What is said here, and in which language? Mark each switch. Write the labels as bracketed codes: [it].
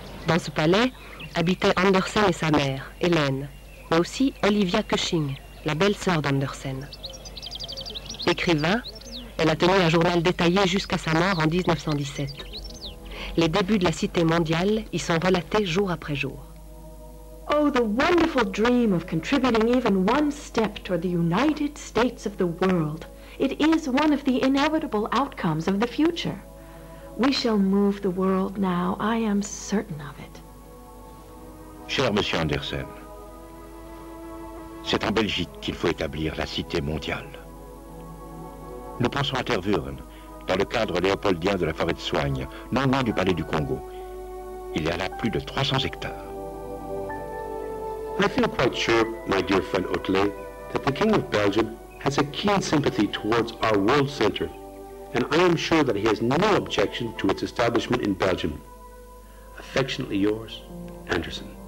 [fr] Dans ce palais habitaient Andersen et sa mère, Hélène, mais aussi Olivia Cushing, la belle-sœur d'Andersen. Écrivain, elle a tenu un journal détaillé jusqu'à sa mort en 1917. Les débuts de la cité mondiale y sont relatés jour après jour. [en] Oh, the wonderful dream of contributing even one step toward the United States of the world. It is one of the inevitable outcomes of the future. We shall move the world now, I am certain of it. [fr] Cher Monsieur Andersen, c'est en Belgique qu'il faut établir la cité mondiale. Nous pensons à Tervuren, dans le cadre léopoldien de la forêt de Soigne, non loin du palais du Congo. Il y a là plus de 300 hectares. [en] I feel quite sure, my dear friend Hautelet, that the King of Belgium has a keen sympathy towards our world center, and I am sure that he has no objection to its establishment in Belgium. Affectionately yours, Andersen.